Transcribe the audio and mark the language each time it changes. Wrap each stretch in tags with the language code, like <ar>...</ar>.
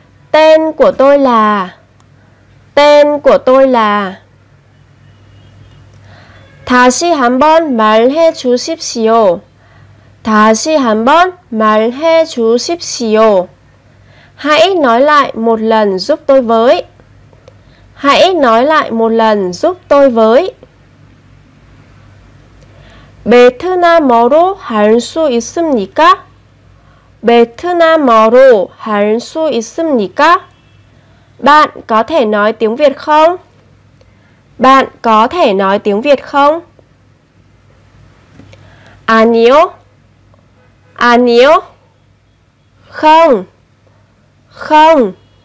<vi>Tên của tôi là, tên của tôi là.</vi> <ko>다시 한번 말해 주십시오. 다시 한번 말해 주십시오.</ko> <vi>Hãy nói lại một lần giúp tôi với. Hãy nói lại một lần giúp tôi với.</vi> <ko>베트남어로 할 수 있습니까? 베트남어로 할 수 있습니까?</ko> <vi>Bạn có thể nói tiếng Việt không? Bạn có thể nói tiếng Việt không?</vi> <ko>아니요. 아니요.</ko> <vi>Không. Không.</vi>